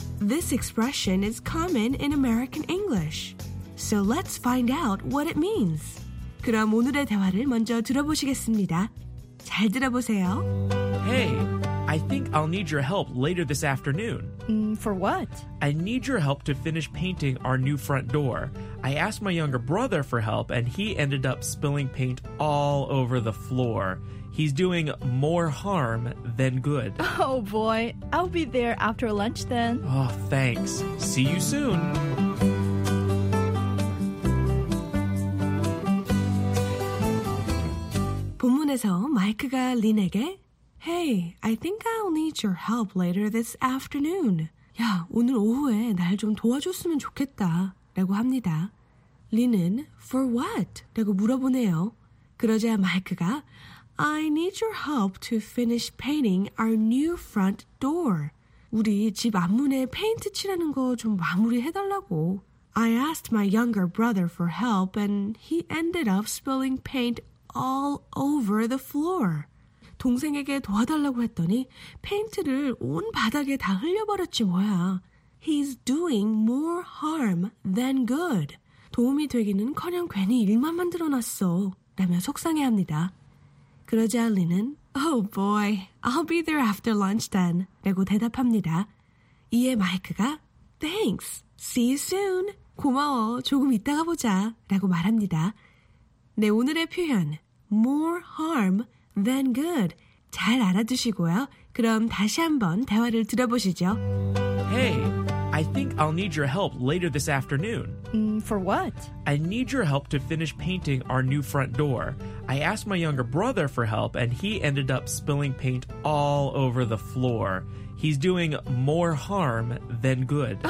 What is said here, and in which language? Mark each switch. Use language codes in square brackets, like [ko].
[en] This expression is common in American English. So let's find out what it means. [ko] 그럼 오늘의 대화를 먼저 들어보시겠습니다. 잘 들어보세요. [en] Hey, I think I'll need your help later this afternoon. For what? I need your help to finish painting our new front door. I asked my younger brother for help, and he ended up spilling paint all over the floor. He's doing more harm than good. Oh, boy. I'll be there after lunch then. Oh, thanks. See you soon. [ko] 본문에서 마이크가 린에게 [en] Hey, I think I'll need your help later this afternoon. [ko] 야, 오늘 오후에 날 좀 도와줬으면 좋겠다 라고 합니다. 린은 [en] For what? [ko] 라고 물어보네요. 그러자 마이크가 [en] I need your help to finish painting our new front door. [ko] 우리 집 앞문에 페인트 칠하는 거 좀 마무리해달라고. [en] I asked my younger brother for help and he ended up spilling paint all over the floor. [ko] 동생에게 도와달라고 했더니 페인트를 온 바닥에 다 흘려버렸지 뭐야. [en] He's doing more harm than good. [ko] 도움이 되기는 커녕 괜히 일만 만들어놨어. 라며 속상해합니다. 그러자 린은 [en] Oh boy, I'll be there after lunch then. [ko] 라고 대답합니다. 이에 마이크가 [en] Thanks, see you soon. [ko] 고마워, 조금 이따가 보자. 라고 말합니다. 네, 오늘의 표현 [en] More harm than good. [ko] 잘 알아두시고요. 그럼 다시 한번 대화를 들어보시죠. [en] Hey, I think I'll need your help later this afternoon. For what? I need your help to finish painting our new front door. I asked my younger brother for help, and he ended up spilling paint all over the floor. He's doing more harm than good.